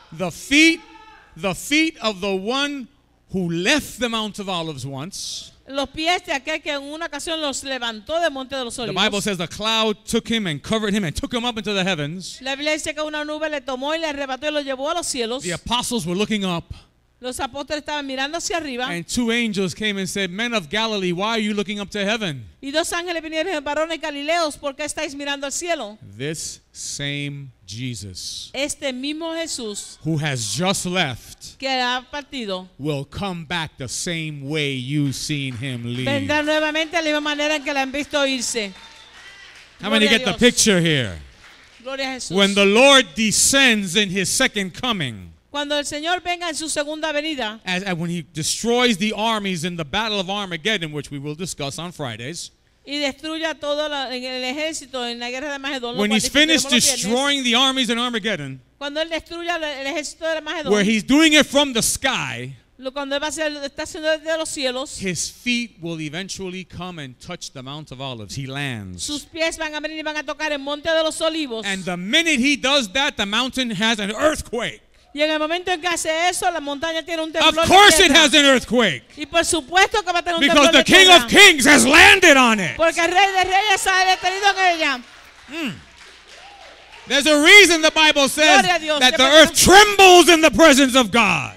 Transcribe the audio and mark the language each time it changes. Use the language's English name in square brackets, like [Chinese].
[English] The feet of the one who left the Mount of Olives once. [Spanish] Los pies de aquel que en una ocasión los levantó del Monte de los Olivos. [English] The Bible says the cloud took him and covered him and took him up into the heavens. [Spanish] La Biblia dice que una nube le tomó y le arrebató y lo llevó a los cielos. [English] The apostles were looking up. [Spanish] Los apóstoles estaban mirando hacia arriba. [English] And two angels came and said, "Men of Galilee, why are you looking up to heaven?" [Spanish] Y dos ángeles vinieron y dijeron, "Varones Galileos, ¿por qué estáis mirando al cielo?" [English] This same Jesus, [Spanish] este mismo Jesús, [English] who has just left, [Spanish] que ha partido, [English] will come back the same way you've seen him leave. [Spanish] Vendrá nuevamente de la misma manera en que la han visto irse. [English] How many get the picture here? [Spanish] Gloria a Jesús. [English] When the Lord descends in his second coming, [Spanish] cuando el Señor venga en su segunda venida, [English] as when he destroys the armies in the Battle of Armageddon, which we will discuss on Fridays, [Spanish] y destruya todo el ejército en la guerra de Armagedón, [English] when he's finished destroying the armies in Armageddon, [Spanish] cuando él destruya el ejército de Armagedón, [English] where he's doing it from the sky, [Spanish] cuando él va a hacer, está haciendo desde los cielos, [English] his feet will eventually come and touch the Mount of Olives. He lands. [Spanish] Sus pies van a venir y van a tocar el Monte de los Olivos. [English] And the minute he does that, the mountain has an earthquake. [Spanish] Y en el momento en que hace eso, la montaña tiene un temblor. [English] Of course it has an earthquake. [Spanish] Y por supuesto que va a tener un temblor. [English] Because the King of Kings has landed on it. [Spanish] Porque el Rey de Reyes ha detenido en ella. [English] There's a reason the Bible says that the earth trembles in the presence of God.